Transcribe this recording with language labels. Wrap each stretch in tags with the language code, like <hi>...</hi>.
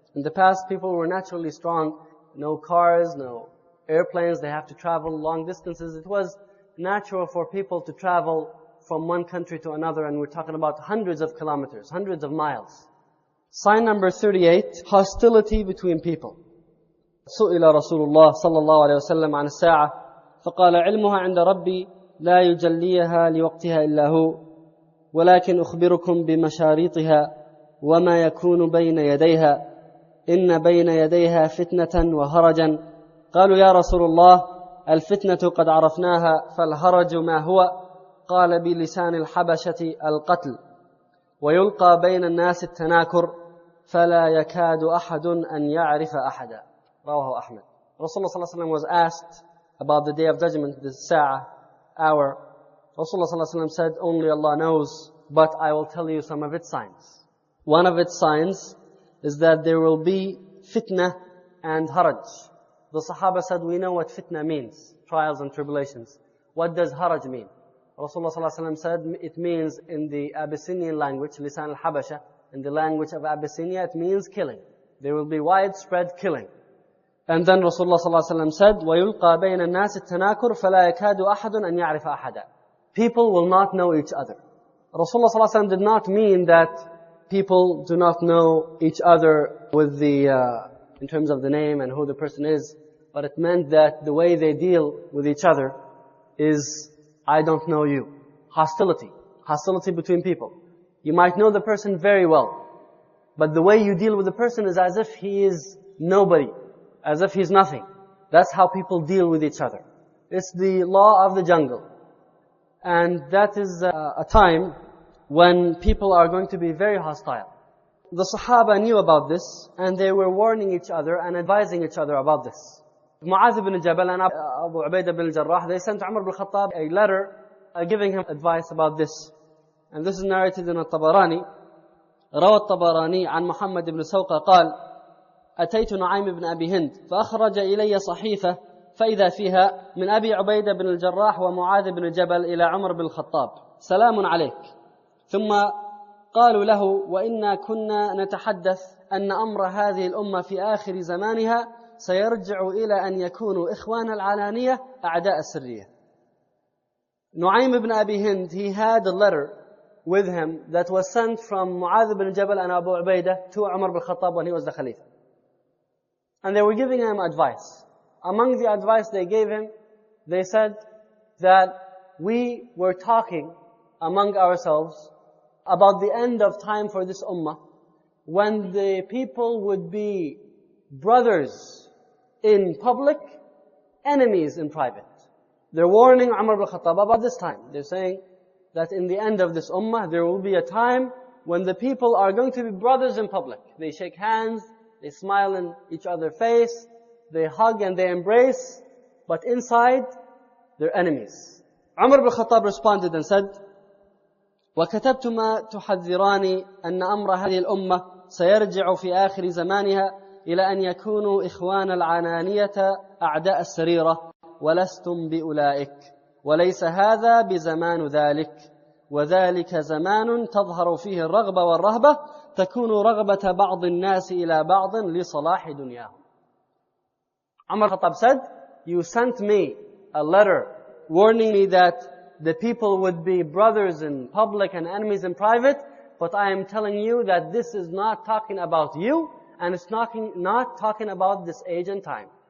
<en>In the past, people were naturally strong. No cars, no airplanes. They have to travel long distances. It was natural for people to travel from one country to another, and we're talking about hundreds of kilometers, hundreds of miles. Sign number 38, hostility between people.</en> <ar>سئل رسول الله صلى الله عليه وسلم عن الساعة فقال علمها عند ربي لا يجليها لوقتها إلا هو ولكن أخبركم بمشاريطها وما يكون بين يديها إن بين يديها فتنة وهرجا قالوا يا رسول الله الفتنة قد عرفناها فالهرج ما هو قال بلسان الحبشة القتل ويلقى بين الناس التناكر فلا يكاد أحد أن يعرف أحدا رواه أحمد.</ar> <en>Rasulullah</en> <ar>صلى الله عليه وسلم</ar> <en>was asked about the day of judgment, the ساعة, hour. Rasulullah</en> <ar>صلى الله عليه وسلم</ar> <en>said, only Allah knows, but I will tell you some of its signs. One of its signs is that there will be fitna and haraj. The Sahaba said, we know what fitna means, trials and tribulations. What does haraj mean? Rasulullah sallallahu alaihi wasallam said, it means in the Abyssinian language, lisan al-habasha, in the language of Abyssinia, it means killing. There will be widespread killing. And then Rasulullah sallallahu alaihi wasallam said,</en> <ar>وَيُلْقَى بَيْنَ النَّاسِ التَّنَاكُرُ فَلَا يَكَادُ أَحَدٌ أَنْ يَعْرِفَ أَحَدًا.</ar> <en>People will not know each other. Rasulullah sallallahu alaihi wasallam did not mean that people do not know each other with the in terms of the name and who the person is, but it meant that the way they deal with each other is, I don't know you. Hostility between people. You might know the person very well, but the way you deal with the person is as if he is nobody, as if he's nothing. That's how people deal with each other. It's the law of the jungle. And that is a time when people are going to be very hostile. The Sahaba knew about this, and they were warning each other and advising each other about this. Mu'adh ibn Jabal and Abu Ubaidah ibn Jarrah, they sent Umar ibn Khattab a letter giving him advice about this. And this is narrated in al-Tabarani.</en> <ar>Rawa al-Tabarani an Muhammad ibn Sawqa qal, أتيت نعيم ibn Abi Hind, فأخرج إلي صحيفة فإذا فيها من أبي عبيدة بن الجراح ومعاذ بن جبل إلى عمر بن الخطاب سلام عليك. ثم قالوا له وإنا كنا نتحدث أن أمر هذه الأمة في آخر زمانها سيرجع إلى أن يكونوا إخوان العلانية أعداء السرية.</ar> <en>نعيم بن أبي هند, he had a letter with him that was sent from معاذ بن جبل and أبو عبيدة to عمر بن الخطاب when he was the Khalifa. And they were giving him advice. Among the advice they gave him, they said that we were talking among ourselves about the end of time for this ummah, when the people would be brothers in public, enemies in private. They're warning Umar ibn Khattab about this time. They're saying that in the end of this ummah, there will be a time when the people are going to be brothers in public. They shake hands, they smile in each other's face, they hug and they embrace, but inside, they're enemies. Umar ibn Khattab responded and said,</en> <ar>وَكَتَبْتُمَا تُحَذِّرَانِي أَنَّ أَمْرَ هَذِهِ الْأُمَّةِ سَيَرْجِعُ فِي آخِرِ زَمَانِهَا إِلَى أَنْ يَكُونُوا إِخْوَانَ الْعَنَانِيَةَ أَعْدَاءَ السَّرِيرَةِ وَلَسْتُمْ بِأُولَئِكَ وليس هذا بزمان ذلك، وذلك زمان تظهر فيه الرغبة والرهبة، تكون رغبة بعض الناس إلى بعض لصلاح دنياهم.</ar> <en>عمر خطاب said, you sent me a letter warning me that the people would be brothers in public and enemies in private, but I am telling you that this is not talking about you, and it's not talking about this age and time.</en>